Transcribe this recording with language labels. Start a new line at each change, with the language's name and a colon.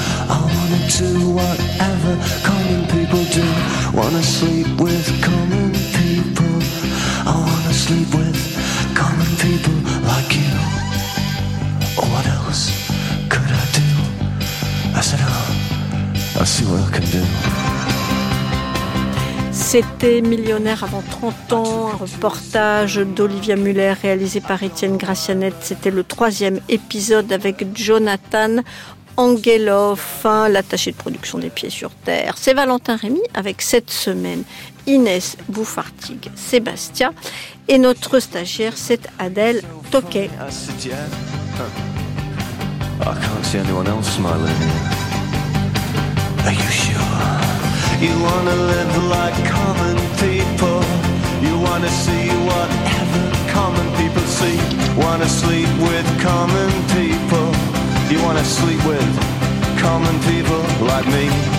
English: I wanna do whatever common people do. Wanna sleep with common people. I wanna sleep with common people like you. Oh, what else could I do? I said, oh, I'll see what I can do.
French: C'était Millionnaire avant 30 ans, un reportage d'Olivia Muller réalisé par Étienne Gracianet. C'était le troisième épisode avec Jonathan Angelov, l'attaché de production des Pieds sur Terre. C'est Valentin Rémy avec cette semaine Inès Bouffartig, Sébastien, et notre stagiaire, c'est Adèle Toquet.
English: I can't see anyone else smiling. Are you sure? You wanna live like common people. You wanna see whatever common people see. Wanna sleep with common people. You wanna sleep with common people like me.